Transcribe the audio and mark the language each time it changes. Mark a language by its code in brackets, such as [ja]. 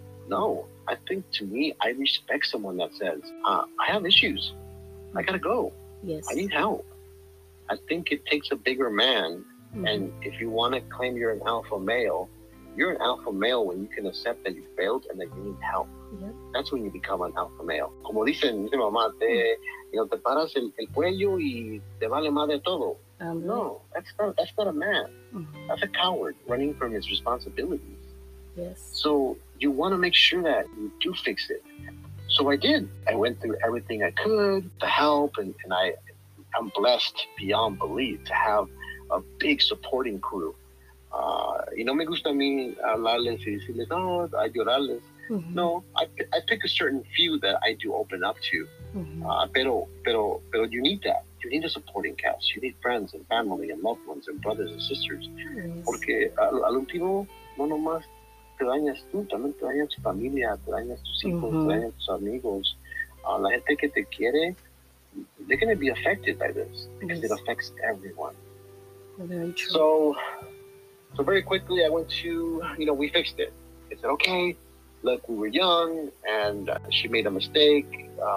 [en] No, I think to me, I respect someone that says, I have issues. I gotta go. Yes. I need help. I think it takes a bigger man. Mm-hmm. And if you want to claim you're an alpha male, you're an alpha male when you can accept that you failed and that you need help. Yep. That's when you become an alpha male. [es] Como dicen mi mamá, te paras el cuello y te vale madre todo. [en] No, that's not a man. Mm-hmm. That's a coward running from his responsibilities. Yes. So you want to make sure that you do fix it. So I did. I went through everything I could to help, and I'm blessed beyond belief to have a big supporting crew. [es] Y no me gusta a mí hablarles y decirles, a llorarles. Mm-hmm. [en] No, I pick a certain few that I do open up to. Mm-hmm. Pero you need that. You need a supporting cast. You need friends and family and loved ones and brothers and sisters. Yes. [es] Porque al último, no nomás te dañas tú, también te dañas tu familia, te dañas tus hijos, te dañas tus amigos. La gente que te quiere, [en] they're going to be affected by this because it affects everyone. Very true. So very quickly, I went to, we fixed it. I said, okay, look, we were young and she made a mistake.